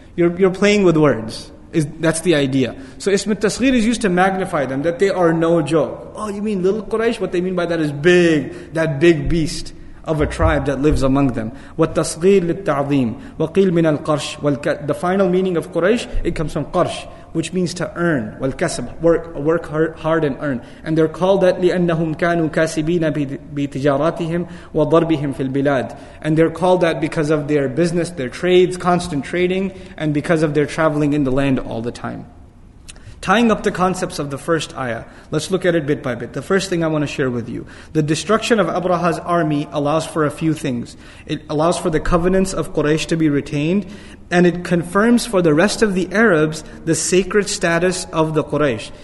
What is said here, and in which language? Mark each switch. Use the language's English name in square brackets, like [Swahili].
[English] You're playing with words. That's the idea. So ism al-tasghir is used to magnify them, that they are no joke. Oh, you mean little Quraysh? What they mean by that is big, that big beast of a tribe that lives among them. [Arabic] وَالتَّصْغِيرِ لِلْتَعْظِيمِ وَقِيلْ مِنَ الْقَرْشِ وَالْكَسْبِ. [English] The final meaning of Quraysh, it comes from qarsh, which means to earn. [Arabic] وَالْكَسْبِ, [English] work hard and earn. And they're called that [Arabic] لِأَنَّهُمْ كَانُوا كَاسِبِينَ بِتِجَارَاتِهِمْ وَضَرْبِهِمْ فِي الْبِلَادِ. [English] And they're called that because of their business, their trades, constant trading, and because of their traveling in the land all the time. Tying up the concepts of the first ayah, let's look at it bit by bit. The first thing I want to share with you, the destruction of Abraha's army allows for a few things. It allows for the covenants of Quraysh to be retained, and it confirms for the rest of the Arabs the sacred status of the Quraysh.